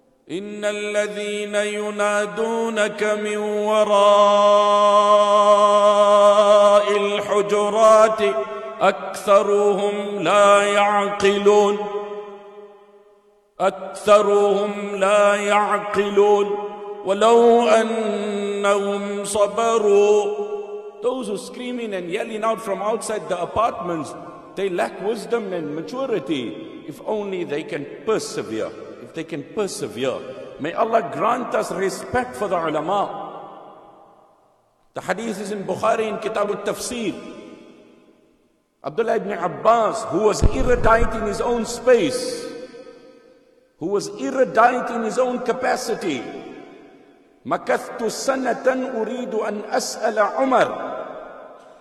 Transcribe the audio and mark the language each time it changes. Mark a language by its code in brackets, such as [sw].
[ar] إن الذين ينادونك من وراء الحجرات أكثرهم لا يعقلون ولو أنهم صبروا. [en] Those who are screaming and yelling out from outside the apartments, they lack wisdom and maturity. If only they can persevere. They can persevere. May Allah grant us respect for the ulama. The hadith is in Bukhari in Kitab al-Tafsir. Abdullah ibn Abbas, who was erudite in his own space, who was erudite in his own capacity. [ar] مَكَثْتُ سَنَةً أُرِيدُ أَنْ أَسْأَلَ عُمَرُ.